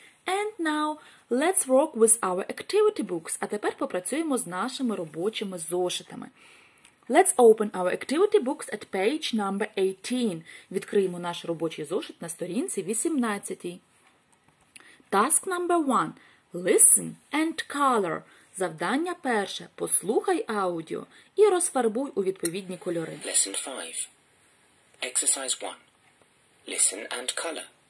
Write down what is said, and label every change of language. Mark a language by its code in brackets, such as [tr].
[en] And now let's work with our activity books. [uk] А тепер попрацюємо з нашими робочими зошитами. [en] Let's open our activity books at page number 18. [uk] Відкриємо наш робочий зошит на сторінці 18. [en] Task number 1. Listen and color. [uk] Завдання перше. Послухай аудіо і розфарбуй у відповідні кольори. [en] Lesson 5. Exercise 1. Listen and color.